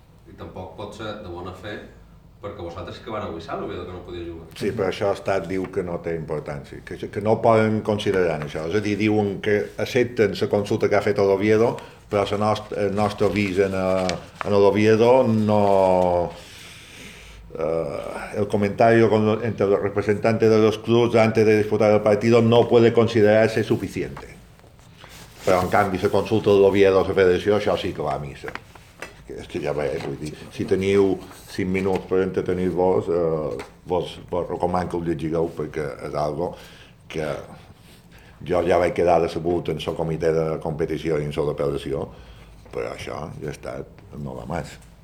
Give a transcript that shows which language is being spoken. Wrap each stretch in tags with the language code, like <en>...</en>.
<ca>I tampoc pot ser de bona fe perquè vosaltres sí que van a guissar el veu que no podia jugar. Sí, però això l'Estat diu que no té importància, que no poden considerar això. És a dir, diuen que accepten la consulta que ha fet l'Oviedo, però el nostre avís en l'Oviedo no...</ca> <es>el comentario entre los representantes de los clubs antes de disputar el partido no puede considerarse suficiente.</es> <ca>Però en canvi, la consulta de l'Oviedo a la federació, això sí que va a missa. És que ja veig, vull dir, si teniu 5 minuts per entretenir-vos, vos recomano que ho llegigueu, perquè és algo que jo ja vaig quedar decebut en el comitè de competició i en la federació, però això ja ha estat, no va més.</ca>